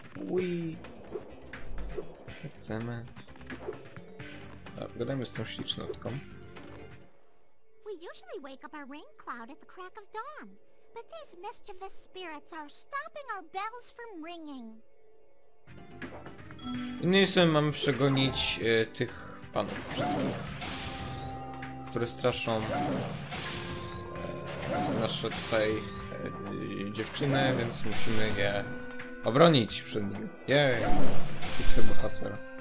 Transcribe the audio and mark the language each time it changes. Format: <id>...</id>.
<pl>Wee. Chcemy. Gadajmy z tą ślicznotką.</pl> <en>We usually wake up a rain cloud at the crack of dawn, but these mischievous spirits are stopping our bells from ringing.</en> <pl>No i sobie mam przegonić tych panów brzydkich, które straszą nasze tutaj dziewczyny, więc musimy je obronić przed nimi. Jej, fixe bohatera.</pl>